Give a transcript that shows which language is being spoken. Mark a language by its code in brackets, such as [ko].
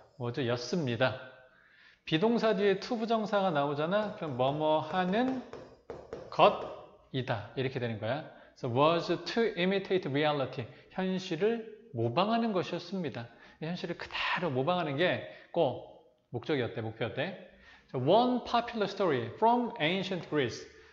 [ko] was였습니다. 비동사 뒤에 to 부정사가 나오잖아. 그럼 뭐뭐 하는 것이다. 이렇게 되는 거야. [en] So was to imitate reality. [ko] 현실을 모방하는 것이었습니다. 현실을 그대로 모방하는 게 꼭 목적이었대, 목표였대. [en] So one popular story from ancient Greece.